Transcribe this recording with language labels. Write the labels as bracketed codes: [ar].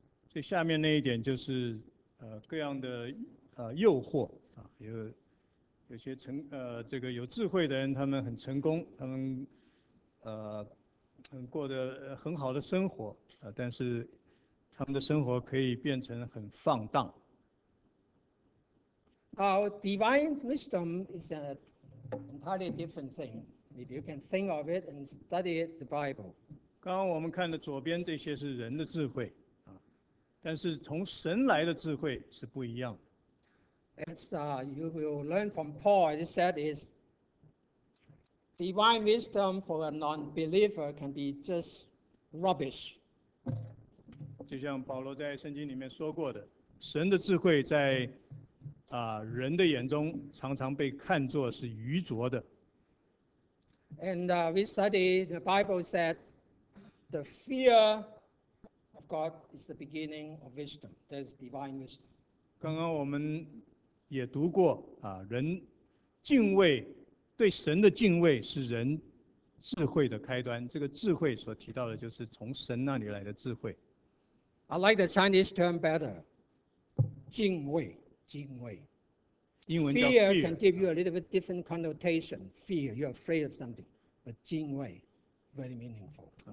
[zh] 最下面那一点就是，各样的诱惑啊，有些这个有智慧的人，他们很成功，他们过得很好的生活啊，但是他们的生活可以变成很放荡。 [en] Our divine wisdom is an entirely different thing. If you can think of it and study it, the Bible. [zh] 刚刚我们看的左边这些是人的智慧。但是从神来的智慧是不一样的。 [en] As you will learn from Paul, he said is divine wisdom for a non-believer can be just rubbish. [zh] 就像保罗在圣经里面说过的，神的智慧在人的眼中常常被看作是愚拙的。 [en] And we study the Bible said the fear of God is the beginning of wisdom. That is divine wisdom. [zh] 刚刚我们也读过人敬畏，对神的敬畏是人智慧的开端。这个智慧所提到的，就是从神那里来的智慧。 [en] I like the Chinese term better. [zh] 敬畏，敬畏。英文叫 [en] Fear can fear give you a little bit different connotation. Fear, you're afraid of something. But 敬畏 very meaningful.